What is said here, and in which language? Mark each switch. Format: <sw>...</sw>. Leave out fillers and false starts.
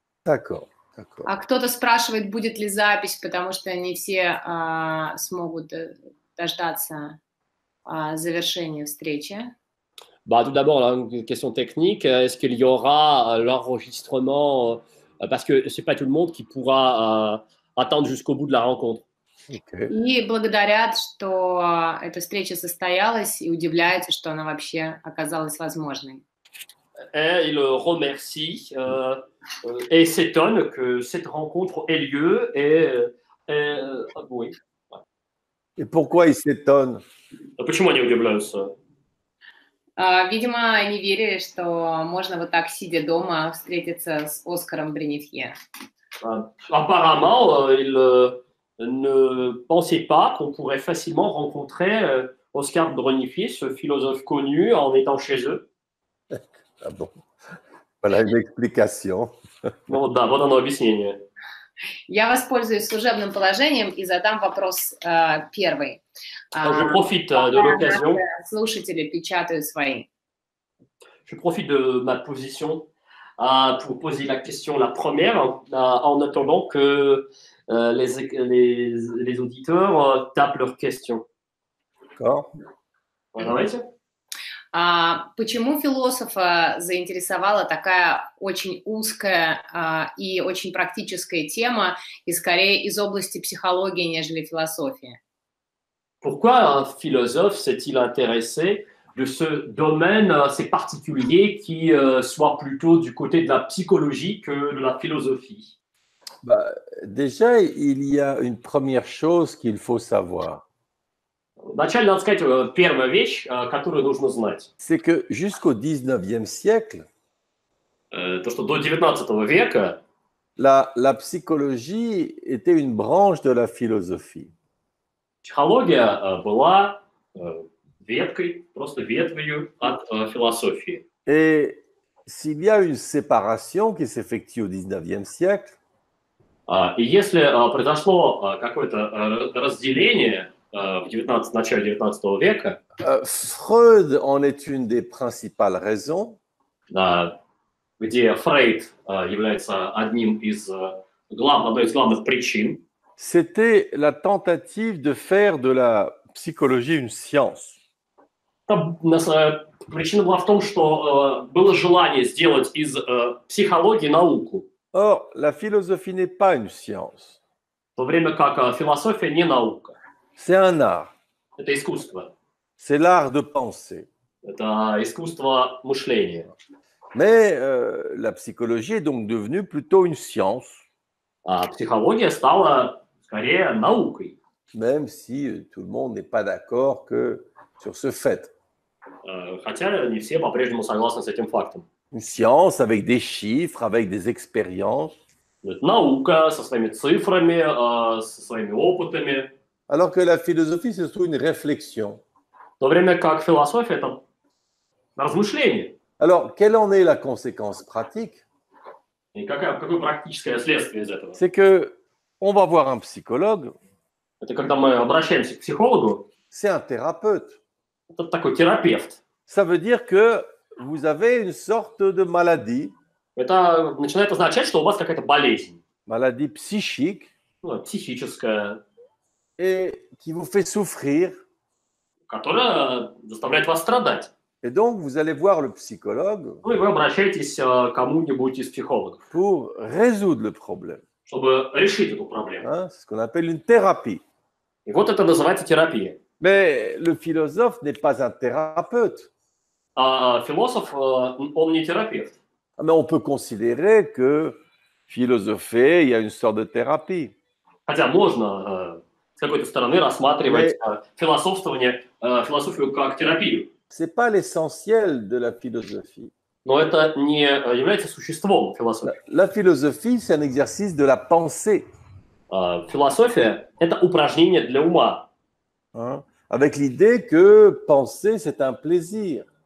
<fr>D'accord, d'accord.</fr> <ru>А кто-то спрашивает, будет ли запись, потому что не все смогут дождаться завершения встречи.</ru> <fr>Bah, tout d'abord, là, une question technique, est-ce qu'il y aura l'enregistrement, parce que ce n'est pas tout le monde qui pourra attendre jusqu'au bout de la rencontre. Okay.</fr> <ru>И благодарят, что эта встреча состоялась, и удивляются, что она вообще оказалась возможной.</ru> <fr>Et ils remercient et s'étonnent que cette rencontre ait lieu. Et, oui. Et pourquoi ils s'étonnent?</fr> <ru>Почему они удивляются? Видимо, они верили, что можно вот так, сидя дома, встретиться с Оскаром Бренефье.</ru> <fr>Apparemment, ils ne pensaient pas qu'on pourrait facilement rencontrer Oscar Bronifi, ce philosophe connu, en étant chez eux. Ah bon? Voilà une explication.</fr> <ru>Bon, да, вот оно объяснение. Я воспользуюсь служебным положением и задам вопрос первый.</ru> <fr>Je profite de l'occasion.</fr> <ru>Слушатели печатают свои.</ru> <fr>Je profite de ma position pour poser la question la première, en attendant que les auditeurs tapent leurs questions. D'accord.</fr> <ru>Давайте. Почему философа заинтересовала такая очень узкая и очень практическая тема, и скорее из области психологии, нежели философии?</ru> <fr>Pourquoi un philosophe s'est-il intéressé de ce domaine assez particulier qui soit plutôt du côté de la psychologie que de la philosophie? Bah, déjà, il y a une première chose qu'il faut savoir.</fr> <ru>Вначале надо сказать первую вещь, которую нужно знать.</ru> <fr>C'est que jusqu'au 19e siècle,</fr> <ru>то, что до 19 века,</ru> <fr>la psychologie était une branche de la philosophie.</fr> <ru>Психология была веткой, просто ветвью от философии.</ru> <fr>Et s'il y a une séparation qui s'effectue au 19e siècle,</fr> <ru>и если произошло какое-то разделение в начале 19 века,</ru> <fr>Freud en est une des principales raisons,</fr> <ru>где Фрейд является одной из главных причин.</ru> <fr>C'était la tentative de faire de la psychologie une science.</fr> <ru>Причина была в том, что было желание сделать из психологии науку.</ru> <fr>Or, la philosophie n'est pas une science.</fr> <ru>В то время как философия не наука.</ru> <fr>C'est un art.</fr> <ru>Это искусство.</ru> <fr>C'est l'art de penser.</fr> <ru>Это искусство мышления.</ru> <fr>Mais la psychologie est donc devenue plutôt une science.</fr> <ru>А психология стала скорее наукой.</ru> <fr>Même si tout le monde n'est pas d'accord que sur ce fait.</fr> <ru>Хотя не все по-прежнему согласны с этим фактом.</ru> <fr>Une science avec des chiffres, avec des expériences.</fr> <ru>Это наука со своими цифрами, со своими опытами.</ru> <fr>Alors que la philosophie, c'est surtout une réflexion.</fr> <ru>В то время как философия это размышление.</ru> <fr>Alors, quelle en est la conséquence pratique? Et</fr> <ru>какое практическое следствие из этого?</ru> <fr>C'est que on va voir un psychologue.</fr> <ru>Это когда мы обращаемся к психологу.</ru> <fr>C'est un thérapeute.</fr> <ru>Это такой терапевт.</ru> <fr>Ça veut dire que vous avez une sorte de maladie.</fr> <ru>Это начинает означать, что у вас какая-то болезнь.</ru> <fr>Maladie psychique.</fr> <ru>Ну, психическая.</ru> <fr>Et qui vous fait souffrir.</fr> <ru>Которая заставляет вас страдать.</ru> <fr>Et donc, vous allez voir le psychologue.</fr> <ru>Ну, вы обращаетесь кому-нибудь из психологов.</ru> <fr>Pour résoudre le problème.</fr> <ru>Чтобы решить эту проблему. Hein?</ru> <fr>C'est ce qu'on appelle une thérapie.</fr> <ru>И вот это называется терапия.</ru> <fr>Mais le philosophe n'est pas un thérapeute. Philosophe,</fr> <ru>он не терапевт.</ru> <fr>Mais on peut considérer que philosopher, il y a une sorte de thérapie.</fr> <ru>Хотя можно с какой-то стороны рассматривать философствование, философию как терапию.</ru> <fr>C'est pas l'essentiel de la philosophie.</fr> <ru>Но это не является существом философии.</ru> <fr>La philosophie, c'est un exercice de la pensée.</fr> <ru>Философия – это упражнение для ума. Hein?</ru> <fr>Avec l'idée que penser, c'est un plaisir.</fr>